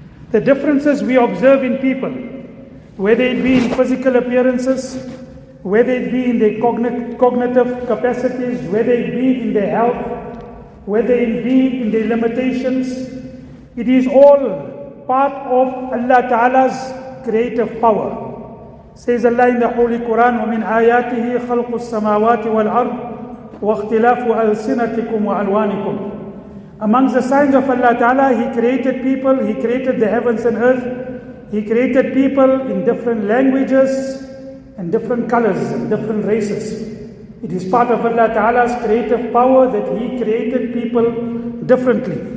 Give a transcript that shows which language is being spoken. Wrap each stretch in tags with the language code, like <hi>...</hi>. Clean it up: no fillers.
<en>The differences we observe in people, whether it be in physical appearances, whether it be in their cognitive capacities, whether it be in their health, whether it be in their limitations, it is all part of Allah Ta'ala's creative power. Says Allah in the Holy Quran,</en> <ar>وَمِنْ آيَاتِهِ خَلْقُ السَّمَاوَاتِ وَالْأَرْضِ وَاخْتِلَافُ أَلْسِنَتِكُمْ وَأَلْوَانِكُمْ.</ar> <en>Amongst the signs of Allah Ta'ala, He created people, He created the heavens and earth, He created people in different languages and different colors and different races. It is part of Allah Ta'ala's creative power that He created people differently.</en>